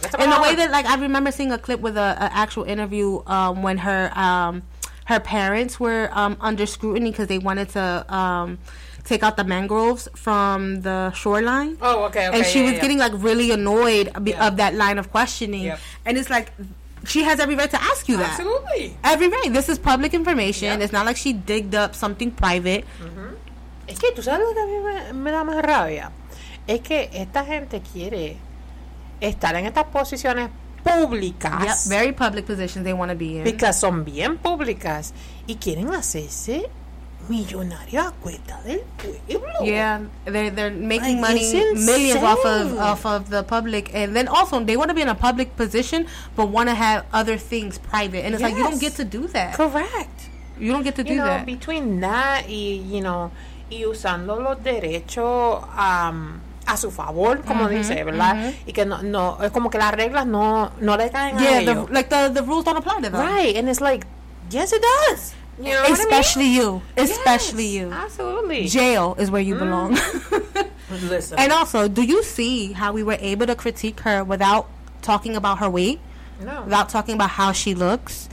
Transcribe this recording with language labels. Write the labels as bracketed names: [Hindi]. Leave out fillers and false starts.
[Spanish] ¿Qué está pasando? [English] In the way that, like, I remember seeing a clip with an actual interview when her her parents were under scrutiny because they wanted to take out the mangroves from the shoreline. Oh, okay. And she was getting, like, really annoyed of that line of questioning. Yep. And it's like, she has every right to ask you that. Absolutely. Every right. This is public information. Yep. It's not like she digged up something private. [Spanish] Es que, ¿tú sabes lo que a mí me da más rabia? Es que esta gente quiere estar en estas posiciones públicas. [English] Yep, very public positions they want to be in. Because [Spanish] son bien públicas. Y quieren hacerse millonario a cuesta del pueblo. [English] Yeah, they're making money, millions off of the public. And then also, they want to be in a public position, but want to have other things private. And it's like, you don't get to do that. Correct. You don't get to do that. Between that [Spanish] y, [English] you know, [Spanish] y usando los derechos a su favor, como dice, ¿verdad? Y que no es como que las reglas no le caen a ellos. [English] Yeah, like the rules don't apply to them. Right, and it's like, yes, it does. You know especially what I mean? You. Especially yes, you. Absolutely. Jail is where you belong. Listen. And also, do you see how we were able to critique her without talking about her weight? No. Without talking about how she looks?